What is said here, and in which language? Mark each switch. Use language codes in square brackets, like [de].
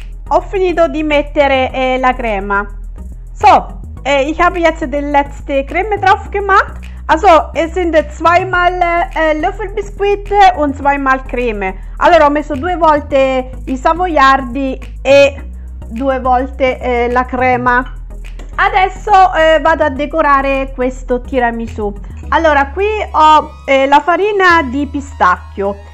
[it] Ho finito di mettere la crema. [de] So, ich habe jetzt die letzte Creme drauf gemacht. Also, es sind zweimal Löffelbiskuit und zweimal Creme. [it] Allora, ho messo due volte i savoiardi e due volte la crema. Adesso vado a decorare questo tiramisù. Allora, qui ho la farina di pistacchio.